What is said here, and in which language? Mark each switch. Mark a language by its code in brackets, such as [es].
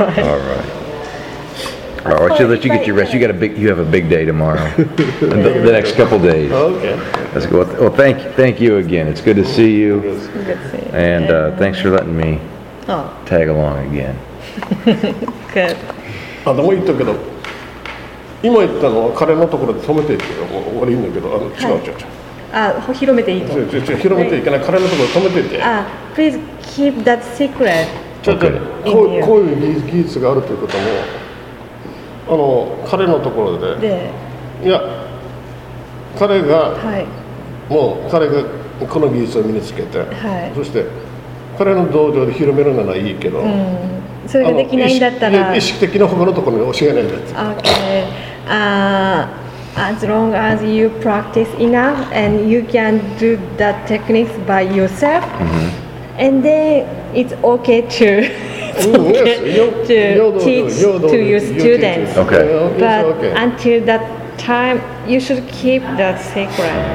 [en] All right. I'll let you get your rest. You have a big day tomorrow. the next couple days. Okay. That's good. Well, thank you again. It's good to see you. And thanks for letting me tag along again. Good. [ja] あでも言ったけど、今言ったのは彼のところで止めていって悪いんだけど、あの違う、はい、違う。あ、広めていいの？違う、広めていけない、彼のところで止めていって。 [en] あ、please keep that secret. [ja] こういう技術があるということも、あの彼のところで、いや、彼が、はい、もう彼がこの技術を身につけて、はい、そして彼の道場で広めるならいいけど、うん、それができないんだったら意識的な他のところに教えないんだって [en] 。 Okay. As long as you practice enough and you can do that techniques by yourself, and then it's okay to teach to your students. Okay. But until that time, you should keep that secret.